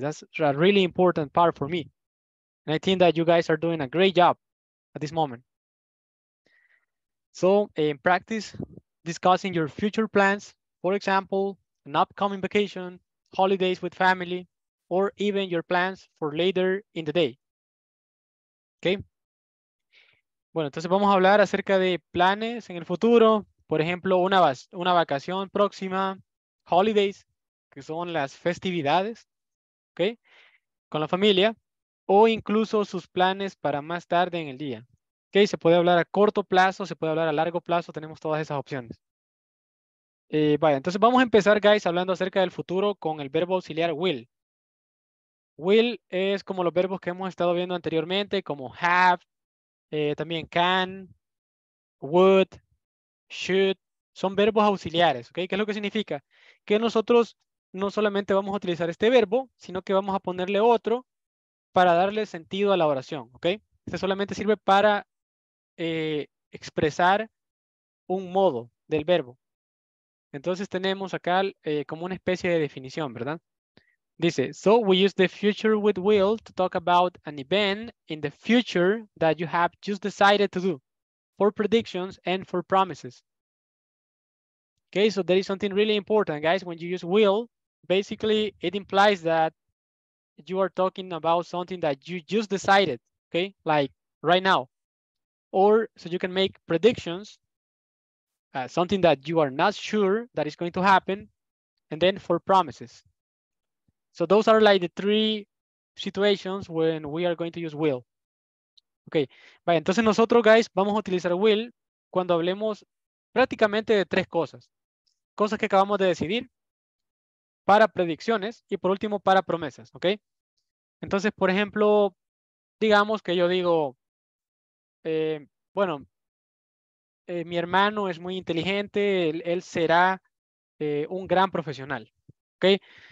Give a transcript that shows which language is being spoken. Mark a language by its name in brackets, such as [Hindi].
[English] That's a really important part for me. And I think that you guys are doing a great job at this moment. So in practice, discussing your future plans, for example, an upcoming vacation, holidays with family, or even your plans for later in the day. Okay. [Spanish] Bueno, entonces vamos a hablar acerca de planes en el futuro. Por ejemplo, una vacación próxima, holidays, que son las festividades, okay, con la familia, o incluso sus planes para más tarde en el día. Okay, se puede hablar a corto plazo, se puede hablar a largo plazo, tenemos todas esas opciones. Vaya, entonces vamos a empezar, guys, hablando acerca del futuro con el verbo auxiliar will. Will es como los verbos que hemos estado viendo anteriormente, como have, también can, would, should. Son verbos auxiliares, ¿ok? ¿Qué es lo que significa? Que nosotros no solamente vamos a utilizar este verbo, sino que vamos a ponerle otro para darle sentido a la oración, ¿ok? Este solamente sirve para expresar un modo del verbo. Entonces tenemos acá como una especie de definición, ¿verdad? Dice, [English] so we use the future with will to talk about an event in the future that you have just decided to do. for predictions, and for promises. Okay, so there is something really important, guys. When you use will, basically it implies that you are talking about something that you just decided, okay, like right now. Or so you can make predictions, something that you are not sure that is going to happen, and then for promises. So those are like the three situations when we are going to use will. [Spanish] Okay, vale, entonces nosotros, guys, vamos a utilizar will cuando hablemos prácticamente de tres cosas. Cosas que acabamos de decidir, para predicciones y por último para promesas, ¿ok? Entonces, por ejemplo, digamos que yo digo, mi hermano es muy inteligente, él será un gran profesional, ¿ok?